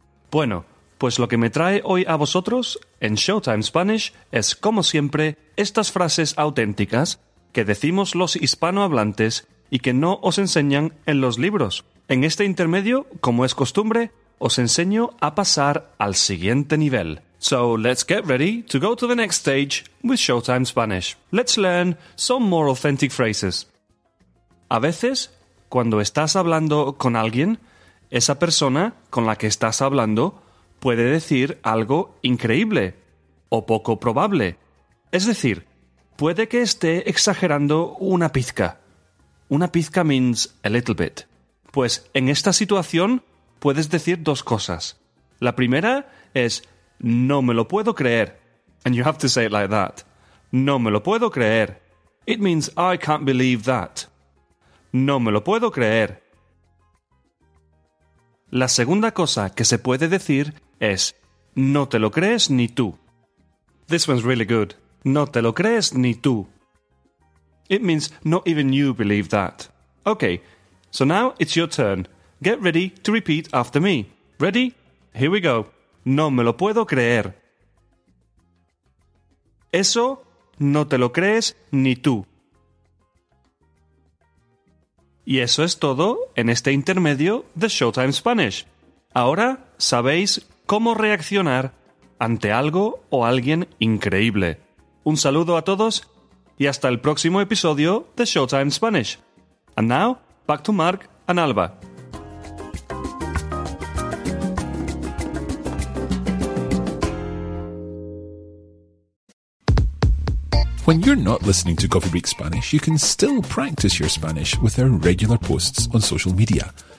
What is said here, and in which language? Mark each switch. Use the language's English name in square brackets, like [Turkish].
[Spanish] Bueno, pues lo que me trae hoy a vosotros en Showtime Spanish es, como siempre, estas frases auténticas que decimos los hispanohablantes y que no os enseñan en los libros. En este intermedio, como es costumbre, os enseño a pasar al siguiente nivel. [English] So let's get ready to go to the next stage with Showtime Spanish. Let's learn some more authentic phrases. [Spanish] A veces, cuando estás hablando con alguien, esa persona con la que estás hablando puede decir algo increíble o poco probable. Es decir, puede que esté exagerando una pizca. Una pizca [English] means a little bit. [Spanish] Pues en esta situación puedes decir dos cosas. La primera es, no me lo puedo creer. [English] And you have to say it like that. [Spanish] No me lo puedo creer. [English] It means I can't believe that. No me lo puedo creer. [Spanish] La segunda cosa que se puede decir es, no te lo crees ni tú. [English] This one's really good. [Spanish] No te lo crees ni tú. [English] It means not even you believe that. Okay, so now it's your turn. Get ready to repeat after me. Ready? Here we go. [Spanish] No me lo puedo creer. Eso no te lo crees ni tú. Y eso es todo en este intermedio de Showtime Spanish. Ahora sabéis cómo reaccionar ante algo o alguien increíble. Un saludo a todos y hasta el próximo episodio de Showtime Spanish. [English] And now, back to Mark and Alba. When you're not listening to Coffee Break Spanish, you can still practice your Spanish with our regular posts on social media.